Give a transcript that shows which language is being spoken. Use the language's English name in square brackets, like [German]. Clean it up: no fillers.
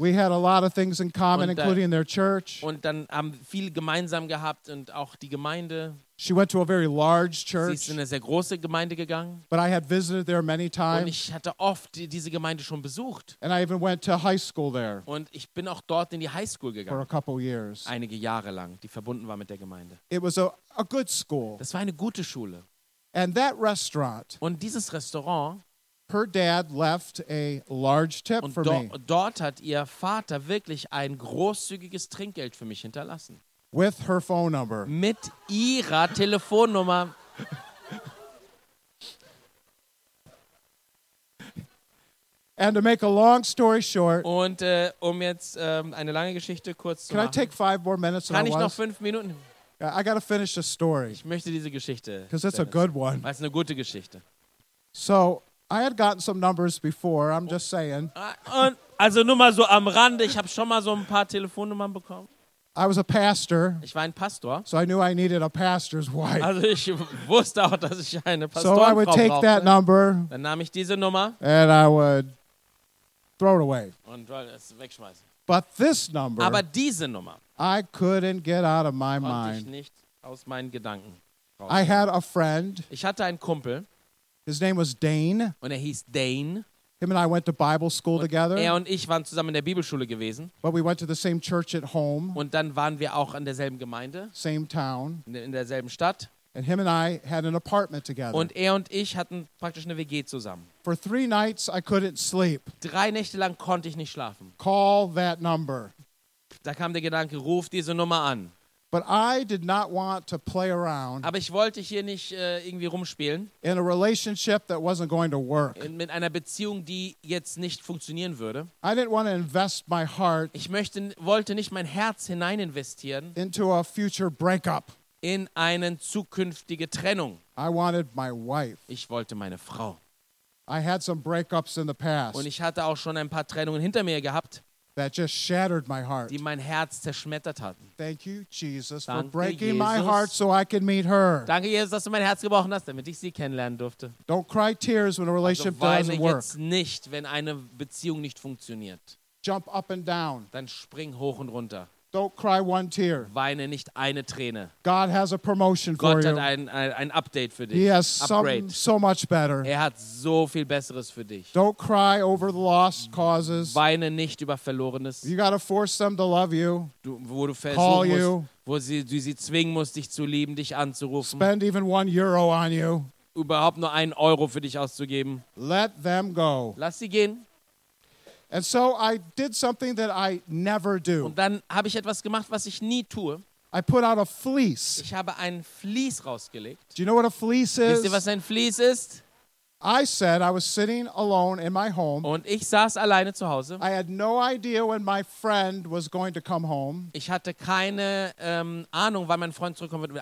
[English] We had a lot of things in common, including their church. [German] Und dann haben viel gemeinsam gehabt und auch die Gemeinde. [English] She went to a very large church. [German] Sie ist in eine sehr große Gemeinde gegangen. [English] But I had visited there many times. [German] Und ich hatte oft diese Gemeinde schon besucht. [English] And I even went to high school there. [German] Und ich bin auch dort in die High School gegangen. [English] For a couple years. [German] Einige Jahre lang, die verbunden war mit der Gemeinde. [English] It was a good school. [German] Das war eine gute Schule. [English] And that restaurant. [German] Und dieses Restaurant. [English] Her dad left a large tip for me. [German] Und dort hat ihr Vater wirklich ein großzügiges Trinkgeld für mich hinterlassen. [English] With her phone number. [German] Mit ihrer Telefonnummer. [English] And to make a long story short. [German] Und eine lange Geschichte kurz zu machen. [English] Can I take 5 more minutes? [German] Kann ich noch 5 Minuten? [English] I gotta finish the story. [German] Ich möchte diese Geschichte. [English] Because it's a good one. [German] Weil es eine gute Geschichte. [English] So, I had gotten some numbers before. I'm just saying. [German] Also nur mal so am Rande. Ich habe schon mal so ein paar Telefonnummern bekommen. [English] I was a pastor. [German] Ich war ein Pastor. [English] So I knew I needed a pastor's wife. [German] Also ich wusste auch, dass ich eine Pastorenfrau brauchte. [English] So I would take that number. [German] Dann nahm ich diese Nummer. [English] And I would throw it away. [German] Und es wegschmeißen. [English] But this number. [German] Aber diese Nummer. [English] I couldn't get out of my mind. [German] Ich nicht aus meinen Gedanken raus. [English] I had a friend. [German] Ich hatte einen Kumpel. [English] His name was Dane. [German] Und er hieß Dane. [English] Him and I went to Bible school [German] und [English] together. [German] Er und ich waren zusammen in der Bibelschule gewesen. [English] But we went to the same church at home. [German] Und dann waren wir auch in derselben Gemeinde. [English] Same town. [German] In derselben Stadt. [English] And him and I had an apartment together. [German] Und er und ich hatten praktisch eine WG zusammen. [English] For 3 nights I couldn't sleep. [German] 3 Nächte lang konnte ich nicht schlafen. [English] Call that number. [German] Da kam der Gedanke, ruf diese Nummer an. [English] But I did not want to play around. [German] Aber ich wollte hier nicht irgendwie rumspielen. [English] In a relationship that wasn't going to work. [German] Mit einer Beziehung, die jetzt nicht funktionieren würde. [English] I didn't want to invest my heart. [German] Ich wollte nicht mein Herz hinein investieren. [English] Into a future breakup. [German] In eine zukünftige Trennung. [English] I wanted my wife. [German] Ich wollte meine Frau. [English] I had some breakups in the past. [German] Und ich hatte auch schon ein paar Trennungen hinter mir gehabt. [English] That just shattered my heart. [German] Die mein Herz zerschmettert hatten. [English] Thank you, Jesus, [German] danke [English] for breaking [German] Jesus. [English] My heart so I can meet her. [German] Danke Jesus, dass du mein Herz gebrochen hast, damit ich sie kennenlernen durfte. [English] Don't cry tears when a relationship [German] also [English] doesn't work. [German] Weine jetzt nicht, wenn eine Beziehung nicht funktioniert. [English] Jump up and down. [German] Dann spring hoch und runter. [English] Don't cry one tear. [German] Weine nicht eine Träne. [English] God has a promotion [German] Gott [English] for [German] hat [English] you. [German] Ein Update für dich. [English] He has some, so much better. [German] Er hat so viel Besseres für dich. [English] Don't cry over the lost causes. [German] Weine nicht über Verlorenes. [English] You gotta force them to love you. [German] Wo du sie zwingen musst, dich zu lieben, dich anzurufen. [English] Spend even 1 euro on you. [German] Überhaupt nur 1 Euro für dich auszugeben. [English] Let them go. [German] Lass sie gehen. [English] And so I did something that I never do. [German] Und dann habe ich etwas gemacht, was ich nie tue. [English] I put out a fleece. [German] Ich habe ein Vlies rausgelegt. [English] Do you know what a fleece is? [German] Wisst ihr, was ein Vlies ist? [English] I said I was sitting alone in my home. [German] Und ich saß alleine zu Hause. [English] I had no idea when my friend was going to come home. [German] Ich hatte keine Ahnung, wann mein Freund zurückkommen wird.